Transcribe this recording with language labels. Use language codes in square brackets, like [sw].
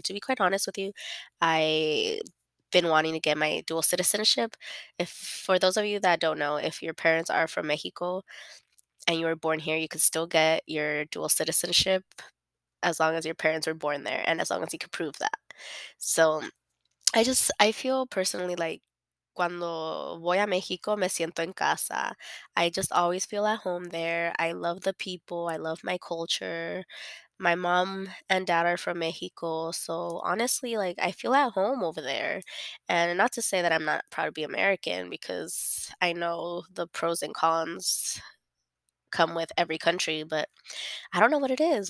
[en] And to be quite honest with you, I've been wanting to get my dual citizenship. If for those of you that don't know, if your parents are from Mexico and you were born here, you could still get your dual citizenship as long as your parents were born there and as long as you could prove that. So I feel personally like [es] cuando voy a Mexico, me siento en casa. [en] I just always feel at home there. I love the people. I love my culture. My mom and dad are from Mexico, so honestly, like, I feel at home over there. And not to say that I'm not proud to be American, because I know the pros and cons come with every country, but I don't know what it is.